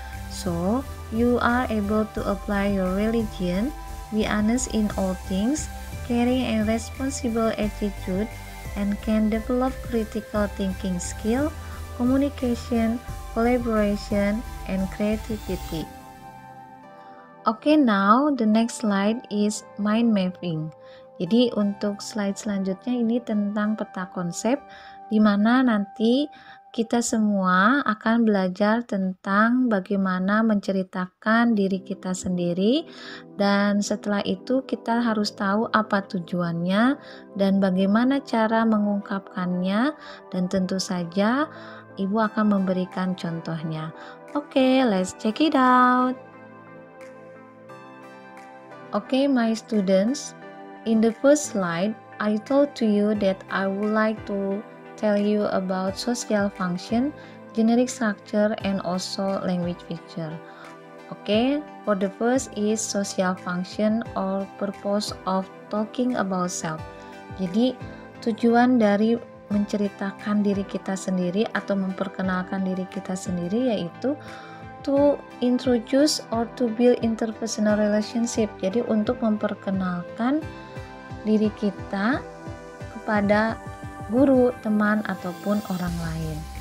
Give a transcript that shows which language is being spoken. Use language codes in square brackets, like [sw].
[en] So, you are able to apply your religion, be honest in all things, caring and responsible attitude, and can develop critical thinking skill, communication, collaboration, and creativity. Okay, now the next slide is mind mapping. [id] Jadi untuk slide selanjutnya ini tentang peta konsep, di mana nanti kita semua akan belajar tentang bagaimana menceritakan diri kita sendiri, dan setelah itu kita harus tahu apa tujuannya dan bagaimana cara mengungkapkannya, dan tentu saja ibu akan memberikan contohnya. [en] Okay, let's check it out. Okay, my students, in the first slide, I told to you that I would like to tell you about social function, generic structure, and also language feature. Okay, for the first is social function or purpose of talking about self. [id] Jadi, tujuan dari menceritakan diri kita sendiri atau memperkenalkan diri kita sendiri yaitu [en] to introduce or to build interpersonal relationship. [id] Jadi, untuk memperkenalkan diri kita kepada guru, teman, ataupun orang lain.